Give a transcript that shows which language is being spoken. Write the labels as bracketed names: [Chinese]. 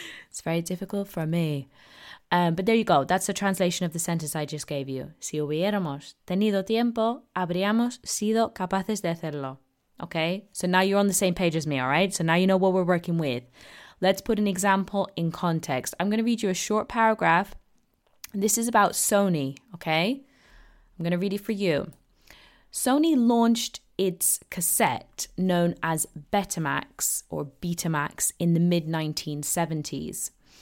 [English] It's very difficult for me. But there you go. That's the translation of the sentence I just gave you. [Spanish] Si hubiéramos tenido tiempo, habríamos sido capaces de hacerlo. [English] Okay? So now you're on the same page as me, all right? So now you know what we're working with. Let's put an example in context. I'm going to read you a short paragraph. This is about Sony, okay? I'm going to read it for you. Sony launched its cassette, known as Betamax or Betamax, in the mid-1970s.